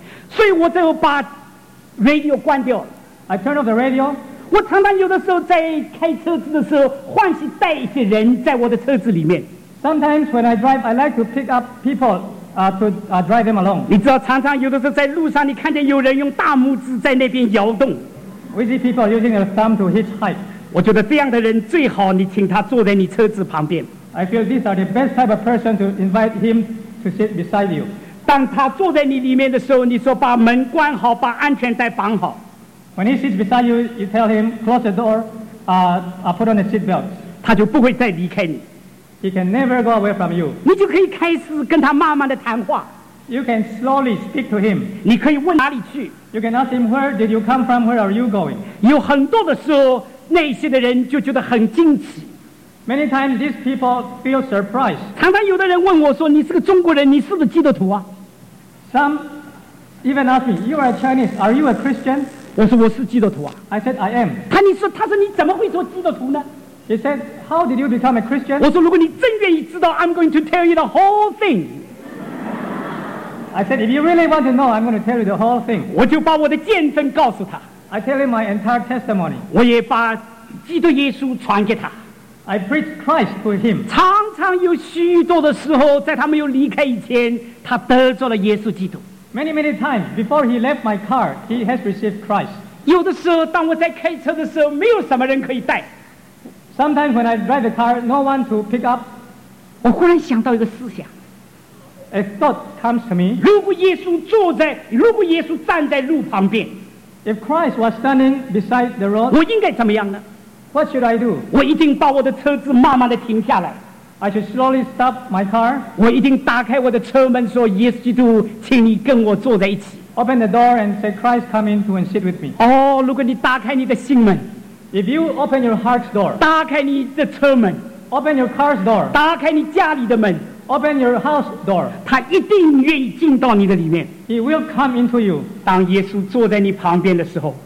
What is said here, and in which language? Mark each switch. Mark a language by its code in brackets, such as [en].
[zh] 所以我就把 radio 关掉。 [en] I turn off the radio. [zh] 我常常有的时候在开车子的时候，欢喜带一些人在我的车子里面。 [en] Sometimes when I drive, I like to pick up people drive them along. [zh] 你知道，常常有的时候在路上，你看见有人用大拇指在那边摇动。 [en] We see people using their thumb to hitchhike. [zh] 我觉得这样的人最好，你请他坐在你车子旁边。 [en] I feel these are the best type of person to invite him to sit beside you. [zh] 当他坐在你里面的时候，你说把门关好，把安全带绑好。 [en] When he sits beside you, you tell him close the door, put on the seat belt. [zh] 他就不会再离开你。 [en] He can never go away from you. [zh] 你就可以开始跟他慢慢的谈话。 [en] You can slowly speak to him. [zh] 你可以问哪里去。 [en] You can ask him where did you come from, where are you going? [zh] 有很多的时候，那些的人就觉得很惊奇。 [en] Many times these people feel surprised. [zh] 常常有的人问我说，你是个中国人，你是不是基督徒啊？ [en] Some even ask me, you are a Chinese, are you a Christian? [zh] 我说我是基督徒啊。 [en] I said, I am. [zh] 他说你怎么会做基督徒呢？ [en] He said, how did you become a Christian? [zh] 我说如果你真愿意知道， [en] I'm going to tell you the whole thing. I said, if you really want to know, I'm going to tell you the whole thing. [zh] 我就把我的见证告诉他。 [en] I tell him my entire testimony. [zh] 我也把基督耶稣传给他。 [en] I preach Christ to him. [zh] 常常有许多的时候，在他没有离开以前，他得着了耶稣基督。 [en] Many many times before he left my car, he has received Christ. [zh] 有的时候，当我在开车的时候，没有什么人可以带。 [en] Sometimes when I drive the car, no one to pick up. [zh] 我忽然想到一个思想。 [en] A thought comes to me. [zh] 如果耶稣站在路旁边 [en] ，If Christ was standing beside the road, [zh] 我应该怎么样呢？ [en] What should I do? [zh] 我一定把我的车子慢慢地停下来。 [en] I should slowly stop my car. [zh] 我一定打开我的车门说，耶稣基督，请你跟我坐在一起。 [en] Open the door and say, Christ, come in to and sit with me. [zh] 哦，如果你打开你的心门。 [en] If you open your heart's door, [zh] 打开你的车门， [en] open your car's door, [zh] 打开你家里的门， [en] open your house door, [zh] 他一定愿意进到你的里面。 [en] He will come into you. [zh] 当耶稣坐在你旁边的时候，